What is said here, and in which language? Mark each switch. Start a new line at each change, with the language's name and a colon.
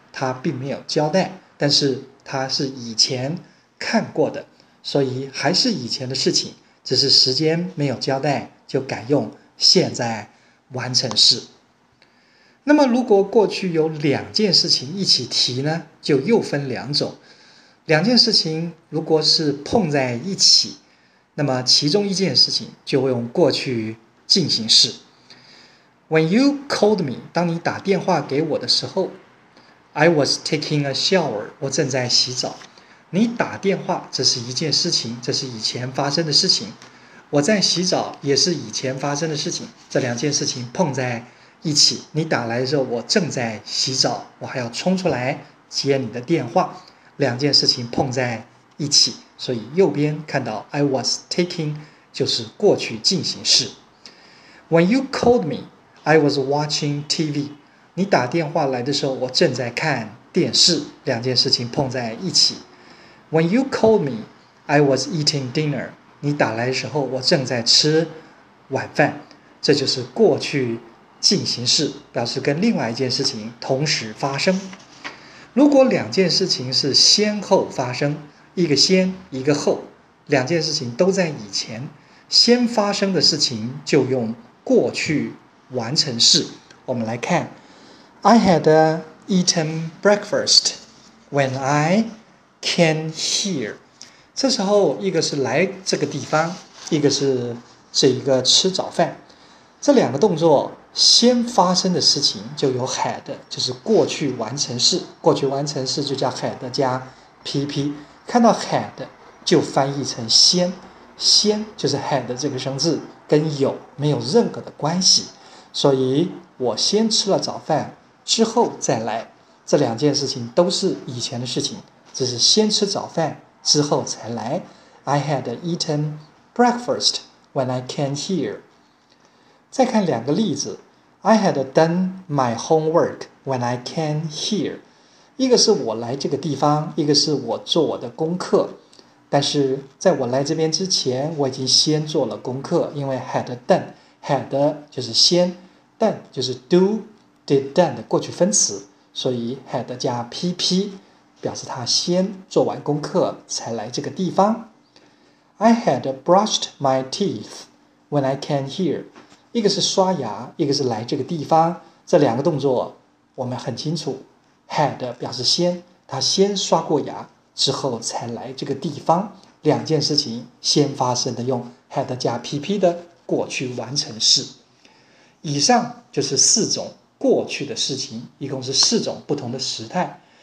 Chinese: 他并没有交代，但是他是以前看过的，所以还是以前的事情，只是时间没有交代，就改用现在完成式。那么如果过去有两件事情一起提呢，就又分两种。两件事情如果是碰在一起，那么其中一件事情就会用过去进行式。
English: When you called me，
Chinese: 当你打电话给我的时候，
English: I was taking a shower，
Chinese: 我正在洗澡。你打电话，这是一件事情，这是以前发生的事情。我在洗澡，也是以前发生的事情。这两件事情碰在一起，你打来的时候，我正在洗澡，我还要冲出来接你的电话。两件事情碰在一起，所以右边看到 I was taking 就是过去进行式。
English: When you called me, I was watching TV。
Chinese: 你打电话来的时候，我正在看电视。两件事情碰在一起。
English: When you called me, I was eating dinner.
Chinese: 你打来的时候，我正在吃晚饭。这就是过去进行式，表示跟另外一件事情同时发生。如果两件事情是先后发生，一个先，一个后，两件事情都在以前，先发生的事情就用过去完成式。我们来看
English: I had eaten breakfast when I...
Chinese: can hear， 这时候一个是来这个地方，一个是这一个吃早饭，这两个动作先发生的事情就有 had， 就是过去完成式，过去完成式就叫 had 加 pp， 看到 had 就翻译成先，先就是 had 这个生字，跟有没有任何的关系，所以我先吃了早饭之后再来，这两件事情都是以前的事情，只是先吃早饭之后才来。
English: I had eaten breakfast when I came here。
Chinese: 再看两个例子。
English: I had done my homework when I came here。
Chinese: 一个是我来这个地方，一个是我做我的功课，但是在我来这边之前，我已经先做了功课，因为 had done， had 就是先， done 就是 do， did done 的过去分词，所以 had 加 pp 表示他先做完功课才来这个地方。
English: I had brushed my teeth when I came here.
Chinese: 一个是刷牙，一个是来这个地方。这两个动作我们很清楚。Had 表示先，他先刷过牙，之后才来这个地方。两件事情先发生的用 had 加 PP 的过去完成式。以上就是四种过去的事情，一共是四种不同的时态。